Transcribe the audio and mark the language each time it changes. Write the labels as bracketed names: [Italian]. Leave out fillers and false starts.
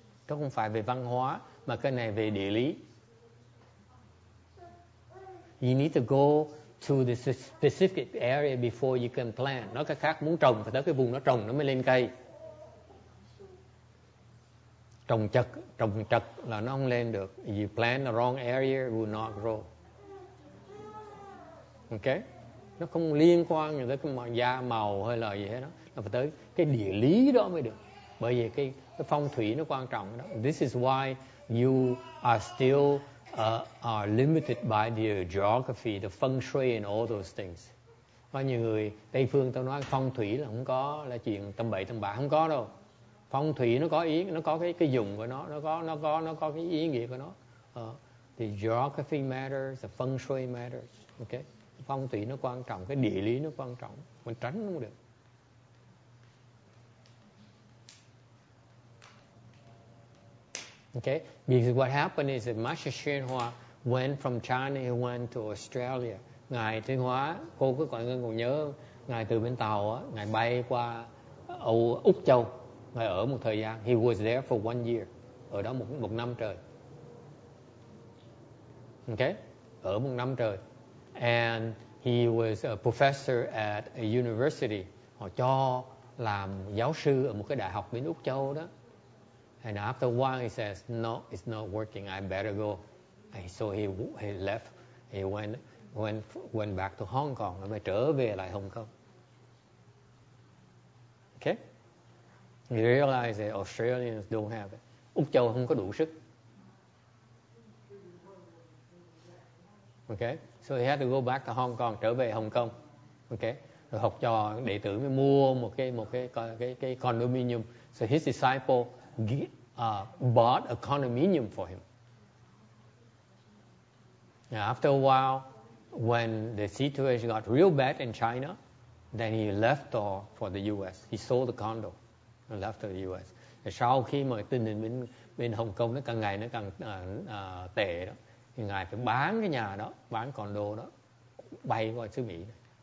[Vietnamese] Đó không phải về văn hóa, mà cái này về địa lý. [English] You need to go to the specific area before you can plant. [Vietnamese] Nói cách khác, muốn trồng, phải tới cái vùng nó trồng, nó mới lên cây. Trồng chật là nó không lên được. [English] If you plant the wrong area, it will not grow. Okay? [Vietnamese] Nó không liên quan gì tới cái da màu hay là gì hết đó. Nó phải tới cái địa lý đó mới được. Bởi vì cái phong thủy nó quan trọng đó. [English] This is why you are still are limited by the geography, the feng shui and all those things. [Vietnamese] Có nhiều người Tây phương tao nói phong thủy là không có, là chuyện tâm bậy tâm bạ, không có đâu. Phong thủy nó có ý, nó có cái dùng của nó có cái ý nghĩa của nó. [English] The geography matters, the feng shui matters. Okay? [Vietnamese] Phong thủy nó quan trọng, cái địa lý nó quan trọng, mình tránh không được. [English] Okay, because what happened is that Master Xuyên Hoa went from China, he went to Australia. [Vietnamese] Ngài Thuyên Hóa, cô cứ gọi ngân còn nhớ, ngài từ bên Tàu, ngài bay qua Úc Châu, ngài ở một thời gian. [English] He was there for one year, [Vietnamese] ở đó một năm trời. Okay, ở một năm trời. [English] And he was a professor at a university. [Vietnamese] Họ cho làm giáo sư ở một cái đại học bên Úc Châu đó. [English] And after a while he says, no, it's not working, I better go. And so he left, he went back to Hong Kong, [Vietnamese] và trở về lại Hong Kong. [English] Okay? He realized that Australians don't have it. [Vietnamese] Úc Châu không có đủ sức. [English] Okay? So he had to go back to Hong Kong, [Vietnamese] trở về Hong Kong. [English] Okay? [Vietnamese] Rồi học trò đệ tử mới mua một cái condominium. [English] So his disciple bought a condominium for him. Now after a while, when the situation got real bad in China, then he left for the US. He sold the condo and left the US. [Vietnamese] Rồi sau khi mà tình hình bên Hong Kong nó càng ngày nó càng tệ đó, thì ngài phải bán cái nhà đó, bán condo đó, bay qua xứ Mỹ này.